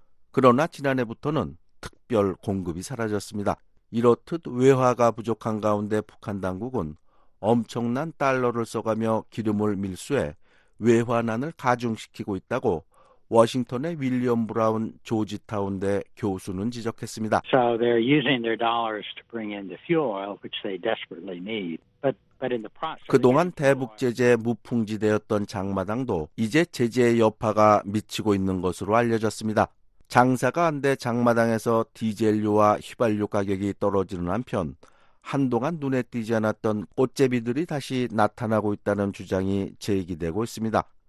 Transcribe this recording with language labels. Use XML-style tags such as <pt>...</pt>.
<ko>그러나 지난해부터는 특별 공급이 사라졌습니다. 이렇듯 외화가 부족한 가운데 북한 당국은 엄청난 달러를 써가며 기름을 밀수해 외화난을 가중시키고 있다고 워싱턴의 윌리엄 브라운 조지타운대 교수는 지적했습니다.</ko> <en>So they're using their dollars to bring in the fuel oil which they desperately need. But in the process</en> <ko>그동안 대북 제재 무풍지대였던 장마당도 이제 제재의 여파가 미치고 있는 것으로 알려졌습니다. 장사가 안 돼 장마당에서 디젤료와 휘발유 가격이 떨어지는 한편 한동안 눈에 띄지 않았던 꽃제비들이 다시 나타나고 있다는 주장이 제기되고 있습니다.</ko>